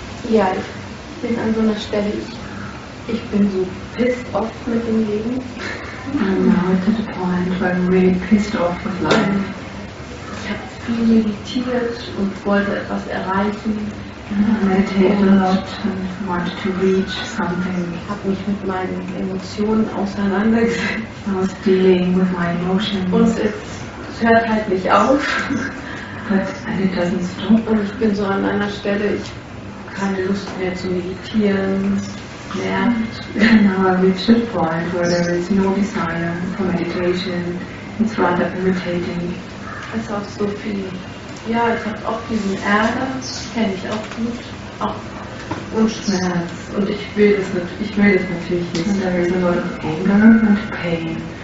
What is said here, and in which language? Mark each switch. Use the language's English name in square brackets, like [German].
[German] Ja, ich bin an so einer Stelle, ich bin so [English] pissed off [German] mit dem Leben. [English] I'm now at the point where I'm really pissed off with life. [German] Ich habe viel meditiert und wollte etwas erreichen. [English] I meditate a lot and want to reach something. [German] Ich habe mich mit meinen Emotionen auseinandergesetzt. [English] I was dealing with my emotions. [German] Und es hört halt nicht auf. [English] But it doesn't stop. [German] Und ich bin so an einer Stelle, ich habe keine Lust mehr zu meditieren. [English] Now I reach a point where there is no desire for meditation. It's rather irritating. [German] Es ist auch so viel. Ja, ich habe auch diesen Ärger, kenne ich auch gut, auch und Schmerz. Und ich will das natürlich, ich will das natürlich nicht. [English] And there is a lot of anger and pain.